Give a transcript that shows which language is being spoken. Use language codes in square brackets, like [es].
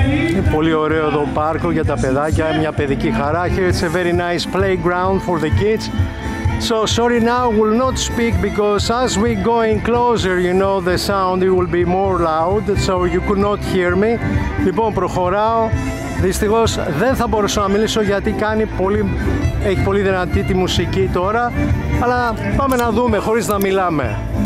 [el] Είναι πολύ ωραίο το πάρκο για τα παιδάκια, μια παιδική χαρά. [en] Here it's a very nice playground for the kids. So sorry, now will not speak because as we going closer, you know, the sound it will be more loud, so you could not hear me. [el] Λοιπόν, προχωράω. Δυστυχώς δεν θα μπορούσα να μιλήσω γιατί κάνει πολύ, έχει πολύ δυνατή τη μουσική τώρα, αλλά πάμε να δούμε χωρίς να μιλάμε.